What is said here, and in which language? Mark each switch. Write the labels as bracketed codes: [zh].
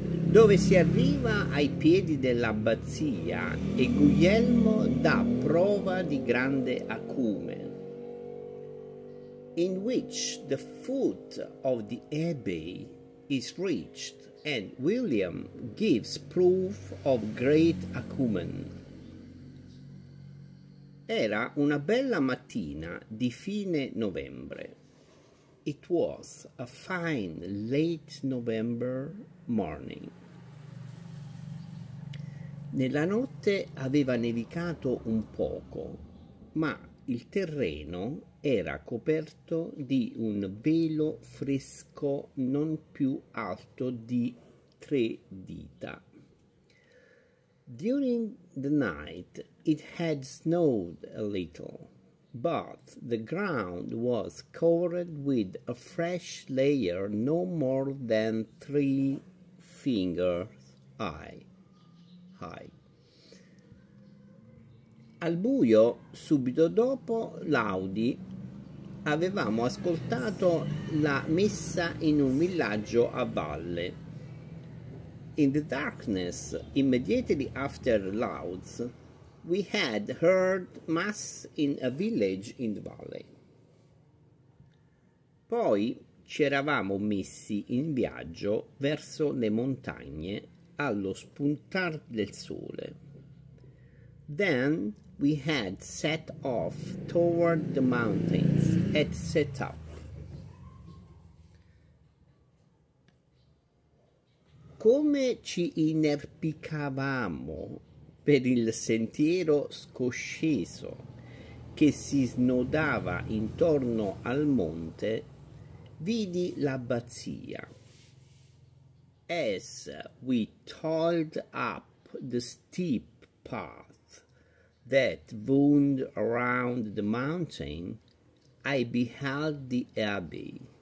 [it] Dove si arriva ai piedi dell'abbazia e Guglielmo dà prova di grande acume. [en] In which the foot of the abbey is reached and William gives proof of great acumen. [it] Era una bella mattina di fine novembre. [en] It was a fine late November morning. [it] Nella notte aveva nevicato un poco, ma il terreno era coperto di un velo fresco non più alto di 3 dita. [en] During the night it had snowed a little, but the ground was covered with a fresh layer no more than 3 fingers high. [it] Al buio, subito dopo l'audi, avevamo ascoltato la messa in un villaggio a valle. [en] In the darkness, immediately after Lauds, we had heard mass in a village in the valley. [it] Poi ci eravamo messi in viaggio verso le montagne. Allo spuntar del sole. [en] Then we had set off toward the mountains at setup. [it] Come ci inerpicavamo per il sentiero scosceso che si snodava intorno al monte, vidi l'abbazia. [en] As we toiled up the steep path that wound around the mountain, I beheld the abbey.